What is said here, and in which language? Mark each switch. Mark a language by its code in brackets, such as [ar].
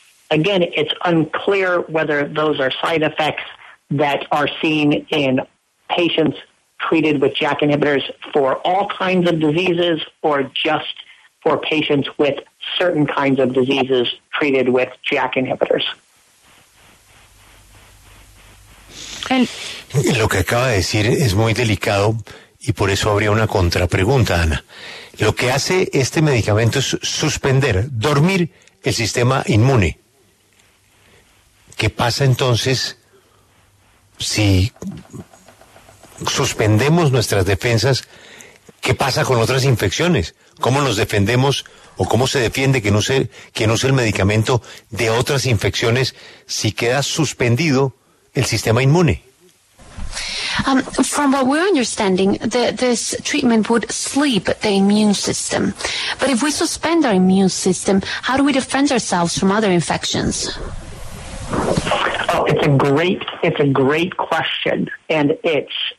[en] Again, it's unclear whether those are side effects that are seen in patients treated with JAK inhibitors for all kinds of diseases or just for patients with certain kinds of diseases treated with JAK inhibitors. [es] Lo que acaba de decir es muy delicado y por eso habría una contrapregunta, Ana. Lo que hace este medicamento es suspender, dormir el sistema inmune. ¿Qué pasa entonces si suspendemos nuestras defensas? ¿Qué pasa con otras infecciones? ¿Cómo nos defendemos o cómo se defiende quien use el medicamento de otras infecciones si queda suspendido el sistema inmune? [en] From what we're understanding, this treatment would sleep the immune system. But if we suspend our immune system, how do we defend ourselves from other infections? Oh, it's a great question, and it's